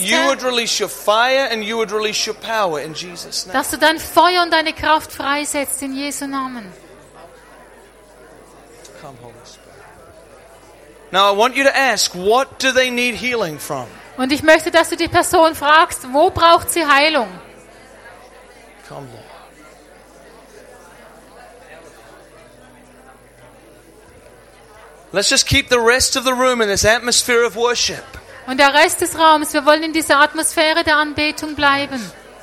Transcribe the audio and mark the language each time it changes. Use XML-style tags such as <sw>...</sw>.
<en>You would release your fire and you would release your power in Jesus' name.</en> <de>Dass du dein Feuer und deine Kraft freisetzt in Jesu Namen.</de> <en>Come, Holy Spirit. Now I want you to ask, what do they need healing from?</en> <de>Und ich möchte, dass du die Person fragst, wo braucht sie Heilung?</de> <en>Come, Lord. Let's just keep the rest of the room in this atmosphere of worship.</en> <de>Und der Rest des Raums, wir wollen in dieser Atmosphäre der Anbetung bleiben. Yes.</de>